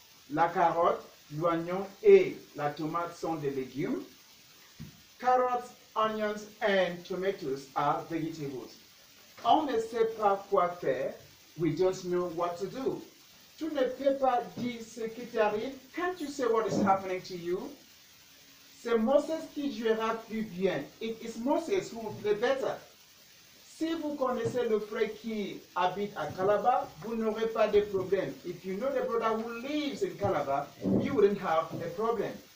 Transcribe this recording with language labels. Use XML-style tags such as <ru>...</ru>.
<fr>La carotte, l'oignon et la tomate sont des légumes.</fr> <en>Carottes, onions and tomatoes are vegetables.</en> <fr>On ne sait pas quoi faire.</fr> <en>We don't know what to do.</en> <fr>Tu ne peux pas dire ce qui t'arrive.</fr> <en>Can't you say what is happening to you?</en> <fr>C'est Moses qui jouera plus bien.</fr> <en>It is Moses who will play better.</en> <fr>Si vous connaissez le frère qui habite à Calabar, vous n'aurez pas de problème.</fr> <en>If you know the brother who lives in Calabar, you wouldn't have a problem.</en>